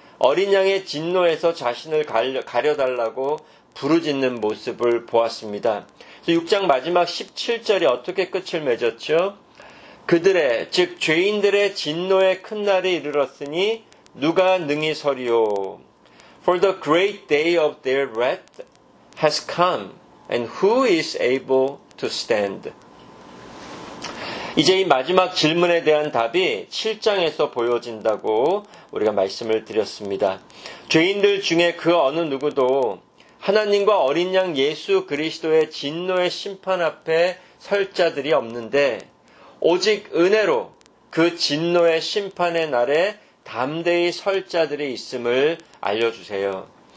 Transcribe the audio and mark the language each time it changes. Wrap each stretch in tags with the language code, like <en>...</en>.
<ko>어린 양의 진노에서 자신을 가려달라고 부르짖는 모습을 보았습니다. 그래서 6장 마지막 17절이 어떻게 끝을 맺었죠? 그들의, 즉 죄인들의 진노의 큰 날이 이르렀으니 누가 능히 서리오?</ko> <en>For the great day of their wrath has come, and who is able to stand?</en> <ko>이제 이 마지막 질문에 대한 답이 7장에서 보여진다고 우리가 말씀을 드렸습니다. 죄인들 중에 그 어느 누구도 하나님과 어린 양 예수 그리스도의 진노의 심판 앞에 설 자들이 없는데 오직 은혜로 그 진노의 심판의 날에 담대히 설 자들이 있음을 알려주세요.</ko>